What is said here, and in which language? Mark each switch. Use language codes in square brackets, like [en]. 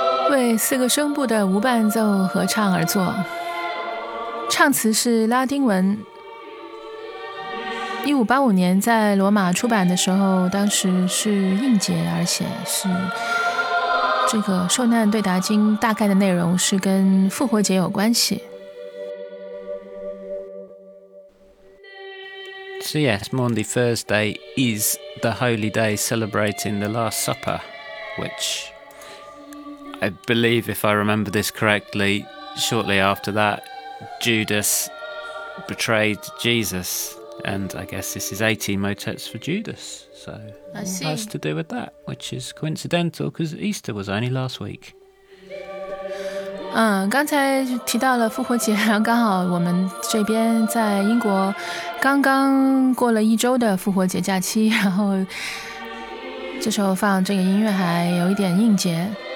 [zh] 为四个声部的无伴奏合唱而作，唱词是拉丁文。 1585年在罗马出版的时候，当时是应节，而且是这个受难对答经，大概的内容是跟复活节有关系。 [en] So yes, Maundy Thursday is the holy day celebrating the Last Supper, which I believe, if I remember this correctly, shortly after that, Judas betrayed Jesus. And I guess this is 18 motets for Judas. So it has to do with that, which is coincidental because Easter was only last week. [zh] 刚才提到了复活节，然后刚好我们这边在英国刚刚过了一周的复活节假期，然后这时候放这个音乐还有一点应节。